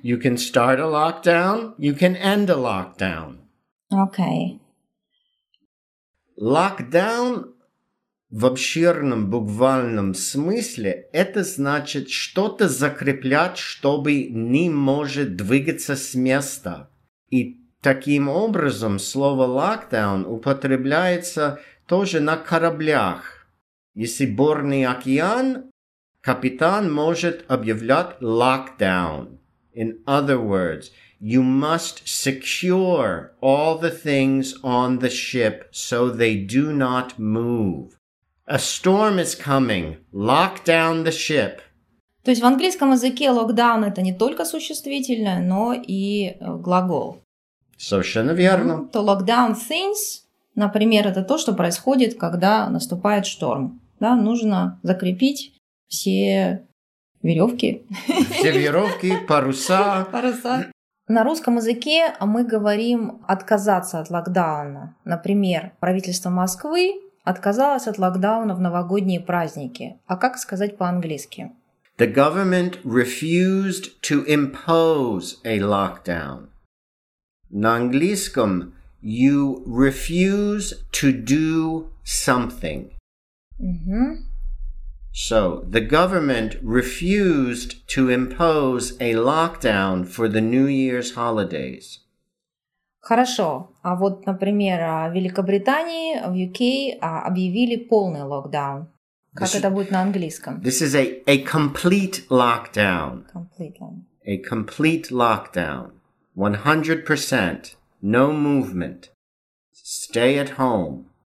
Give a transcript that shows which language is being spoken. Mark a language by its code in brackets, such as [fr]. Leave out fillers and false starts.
[en] You can start a lockdown, you can end a lockdown. Okay. [ru] Локдаун в обширном буквальном смысле это значит что-то закреплять, чтобы не может двигаться с места. И таким образом слово локдаун употребляется тоже на кораблях. Если бурный океан, капитан может объявлять локдаун. [en] In other words, you must secure all the things on the ship so they do not move. A storm is coming. Lock down the ship. [ru] То есть в английском языке lockdown это не только существительное, но и глагол. Совершенно верно. То [en] lockdown things, [ru] например, это то, что происходит, когда наступает шторм. Да, нужно закрепить все веревки. Все веревки, паруса. Паруса. На русском языке мы говорим «отказаться от локдауна». Например, правительство Москвы отказалось от локдауна в новогодние праздники. А как сказать по-английски? [en] The government refused to impose a lockdown. [ru] На английском [en] you refuse to do something. Mm-hmm. So, the government refused to impose a lockdown for the New Year's holidays. [ru] Хорошо. А вот, например, в Великобритании, в UK, объявили полный локдаун. Как это будет на английском? [en] This is a complete lockdown. Complete. A complete lockdown. 100%. No movement. Stay at home.